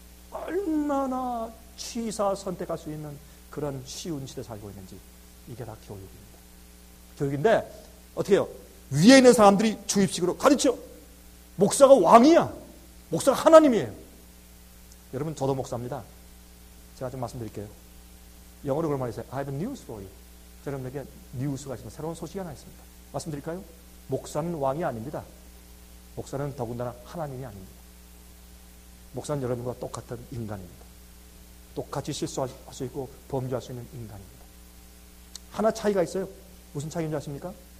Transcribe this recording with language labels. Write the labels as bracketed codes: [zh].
[ko] 얼마나 취사 선택할 수 있는 그런 쉬운 시대 살고 있는지 이게 다 교육입니다. 교육인데 어떻게 해요? 위에 있는 사람들이 주입식으로 가르쳐. 목사가 왕이야. 목사가 하나님이에요. 여러분 저도 목사입니다. 제가 좀 말씀드릴게요. 영어로 그런 말이 있어요. [en] I have a news for you. [ko] 여러분에게 뉴스가 있습니다. 새로운 소식이 하나 있습니다. 말씀드릴까요? 목사는 왕이 아닙니다. 목사는 더군다나 하나님이 아닙니다. 목사는 여러분과 똑같은 인간입니다. 똑같이 실수할 수 있고 범죄할 수 있는 인간입니다. 하나 차이가 있어요. 무슨 차이인지 아십니까?